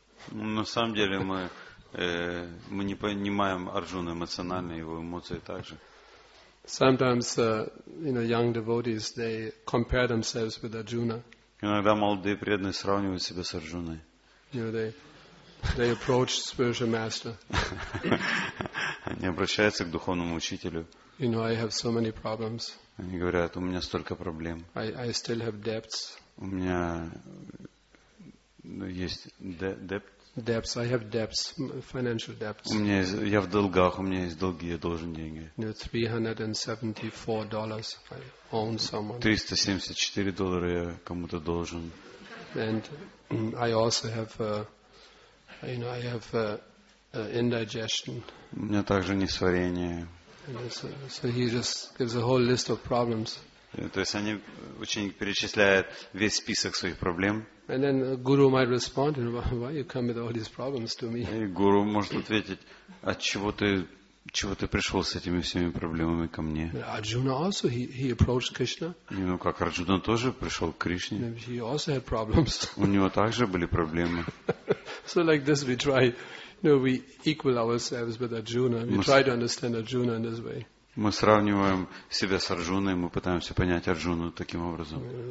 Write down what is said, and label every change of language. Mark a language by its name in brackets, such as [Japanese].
[Russian] На самом деле мы не понимаем Арджуну эмоционально, его эмоции также. [English] Sometimes young devotees they compare themselves with Arjuna. [Russian] Иногда молодые преданные сравнивают себя с Арджуной. [English] They approach spiritual master. [Russian] Они обращаются к духовному учителю. [English] I have so many problems. [Russian] Они говорят, у меня столько проблем. [English] I still have debts. [Russian] У меня есть debt. [English] Debts. I have debts, financial debts. [Russian] У меня есть, я в долгах, у меня есть долги, я должен деньги. [English] $374 I own someone. [Russian] $374 я кому-то должен. [English] And I also have, I have indigestion. [Russian] У меня также несварение. [English] So he just gives a whole list of problems. [Russian] То есть они ученик перечисляет весь список своих проблем. [English] And then a guru might respond, why you come with all these problems to me? [Russian] И гуру может ответить, от чего ты пришел с этими всеми проблемами ко мне? [English] Arjuna also he approached Krishna. [Russian] И, ну как Арджуна тоже пришел к Кришне? [English] He also had problems. [Russian] У него также были проблемы. [English] So like this we try, we equal ourselves with Arjuna. We try to understand Arjuna in this way. [Russian] Мы сравниваем себя с Арджуной, мы пытаемся понять Арджуну таким образом.